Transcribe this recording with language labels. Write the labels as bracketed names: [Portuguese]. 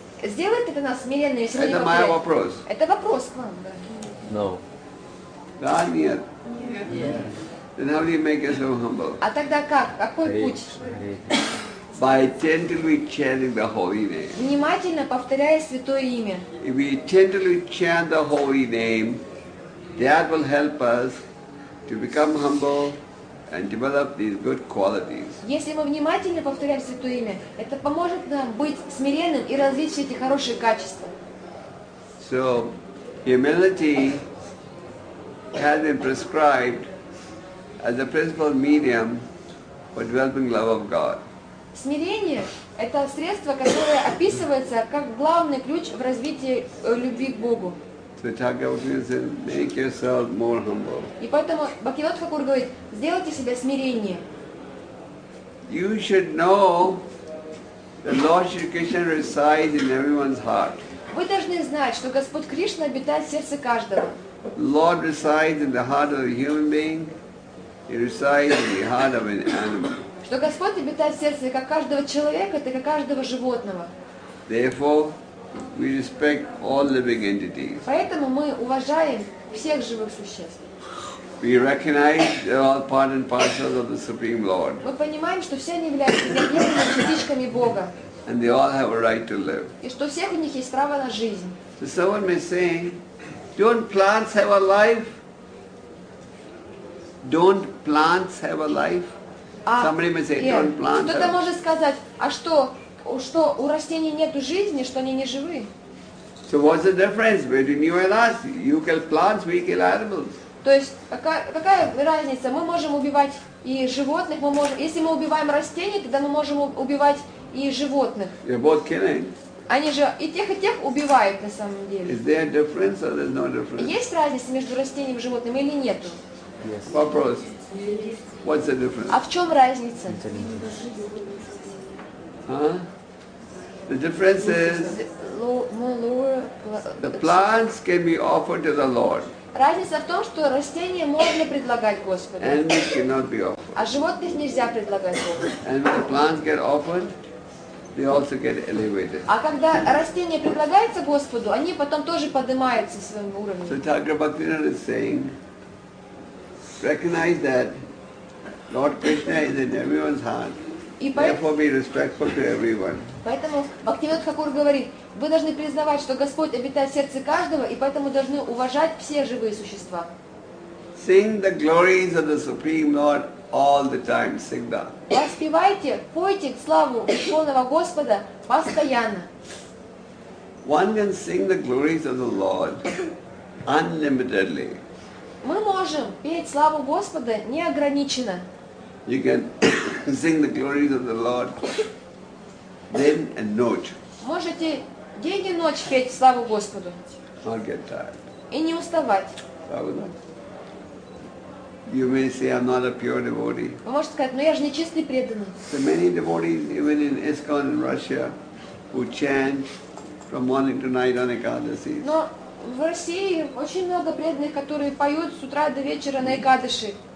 [Russian] Сделать это нас смиренными. Это моя вопрос. Это вопрос к вам. [English] No. [Russian] Да, нет. Нет. [English] Then how do you make yourself humble? [Russian] А тогда как? Какой путь? [English] By attentively chanting the holy name. [Russian] Внимательно повторяя святое имя. [English] If we attentively chant the holy name, that will help us to become humble and develop these good qualities. [Russian] Если мы внимательно повторяем Святое Имя, это поможет нам быть смиренным и развить эти хорошие качества. [English] So, humility has been prescribed as the principal medium for developing love of God. [Russian] Смирение – это средство, которое описывается как главный ключ в развитии любви к Богу. [English] Make yourself more humble. [Russian] И поэтому Бхагавад Хакур говорит, сделайте себя смиреннее. [English] You should know that Lord Shri Krishna resides in everyone's heart. [Russian] Вы должны знать, что Господь Кришна обитает в сердце каждого. [English] Lord resides in the heart of a human being, He resides in the heart of an animal. [Russian] Что Господь обитает в сердце как каждого человека, так и каждого животного. [English] Therefore, we respect all living entities. [Russian] Поэтому мы уважаем всех живых существ. [English] We recognize they're all part and parcels of the Supreme Lord. [Russian] Мы понимаем, что все они являются отдельными частичками Бога. [English] And they all have a right to live. [Russian] И что всех у них есть право на жизнь. [English] So someone may say, "Don't plants have a life? Don't plants have a life?" Somebody may say, "Don't plants?" [Russian] Кто-то может сказать, а что? Что у растений нету жизни, что они не живые. [English] So what's the difference between you and us? You kill plants, we kill animals. [Russian] То есть какая разница? Мы можем убивать и животных, если мы убиваем растений, тогда мы можем убивать и животных. [English] You're both killing. [Russian] Они же и тех убивают на самом деле. [English] Is there a difference or there's no difference? [Russian] Есть разница между растением и животным или нету? [English] Yes. [Russian] Вопрос. [English] What's the difference? [Russian] А в чем разница? Huh? [English] The difference is the plants can be offered to the Lord. [Russian] Разница в том, что растения можно предлагать Господу. [English] And they cannot be offered. [Russian] А животных нельзя предлагать Богу. [English] And when the plants get offered, they also get elevated. [Russian] А когда растения предлагаются Господу, они потом тоже поднимаются в своем уровне. [English] So Thakur Bhaktivinoda is saying, recognize that Lord Krishna is in everyone's heart. Therefore, be respectful to everyone. [Russian] Поэтому Бхактивинода Хакур говорит, вы должны признавать, что Господь обитает в сердце каждого, и поэтому должны уважать все живые существа. [English] Sing the glories of the Supreme Lord all the time, [Russian] всегда. Воспевайте, пойте славу Верховного Господа постоянно. [English] One can sing the glories of the Lord unlimitedly. [Russian] Мы можем петь славу Господа неограниченно. [English] You can sing the glories of the Lord day and night. [Russian] Можете день и ночь петь славу Господу. [English] Not get tired. [Russian] И не уставать. [English] You may say, "I'm not a pure devotee." [Russian] Вы можете сказать, но я же не чистый преданный. [English] So many devotees, even in ISKCON in Russia, who chant from morning to night on Ekadasi. [Russian] Но в России очень много преданных, которые поют с утра до вечера на Экадаши.